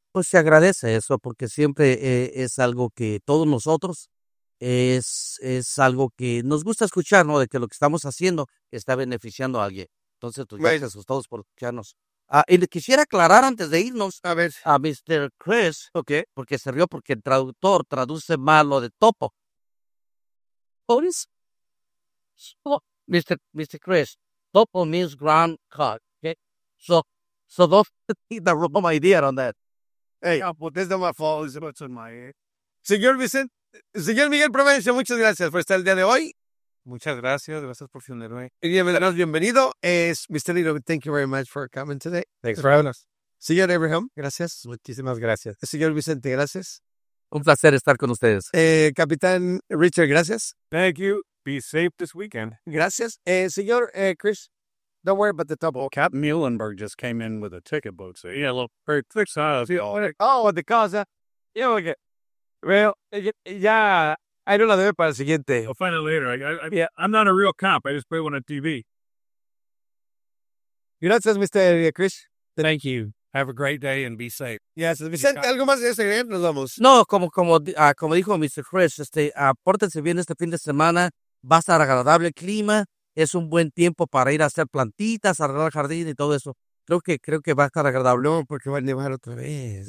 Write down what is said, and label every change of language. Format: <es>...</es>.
<es>Pues se agradece eso porque siempre es algo que todos nosotros es algo que nos gusta escuchar, ¿no? De que lo que estamos haciendo está beneficiando a alguien. Entonces, pues, gracias bueno a todos por escucharnos. Y le quisiera aclarar antes de irnos a</es> <en>Mr. Chris, okay,</en> <es>porque se rió porque el traductor traduce mal lo de topo.</es> <en>What is? So, Mr. Chris, topo means ground cock, okay? So don't think the wrong idea on that. Hey, yeah, but that's not my fault, it's what's on my head.</en> <es>Señor Vicente, señor Miguel Provencio, muchas gracias por estar el día de hoy. Muchas gracias. Gracias por fundarme. Bienvenido. Mr.</es> <en>Lino, thank you very much for coming today. Thanks for having us.</en> <es>Señor Abraham. Gracias. Muchísimas gracias. Señor Vicente, gracias. Un placer estar con ustedes. Capitán Richard, gracias.</es> <en>Thank you. Be safe this weekend.</en> <es>Gracias.</es> <en>Señor Chris, don't worry about the trouble. Captain Muhlenberg just came in with a ticket book, so yeah, a little very thick size. Oh, the cause. Yeah, okay. Well, yeah. I don't know,</en> <es>para el siguiente.</es> <en>I'll find it later. I'm not a real cop. I just play one on TV.</en> <es>Gracias, Mr. Chris.</es> <en>Thank you. Have a great day and be safe.</en> <es>Yes, Vicente, ¿algo más de este gran? Nos vamos. No, como dijo Mr. Chris, pórtense bien este fin de semana. Va a estar agradable el clima. Es un buen tiempo para ir a hacer plantitas, arreglar el jardín y todo eso. Creo que va a estar agradable. No, porque va a nevar otra vez.</es>